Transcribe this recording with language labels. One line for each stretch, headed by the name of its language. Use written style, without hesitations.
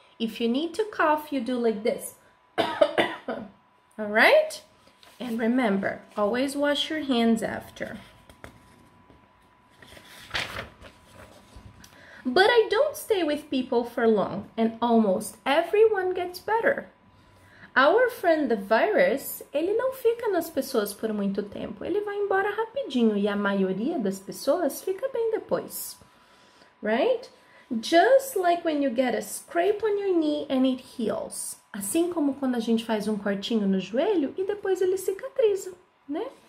English: If you need to cough, you do like this. All right? And remember, always wash your hands after. But I don't stay with people for long, and almost everyone gets better. Our friend the virus,
Portuguese: ele não fica nas pessoas por muito tempo. Ele vai embora rapidinho, e a maioria das pessoas fica bem depois.
English: Right? Just like when you get a scrape on your knee and it heals.
Portuguese: Assim como quando a gente faz um cortinho no joelho e depois ele cicatriza, né?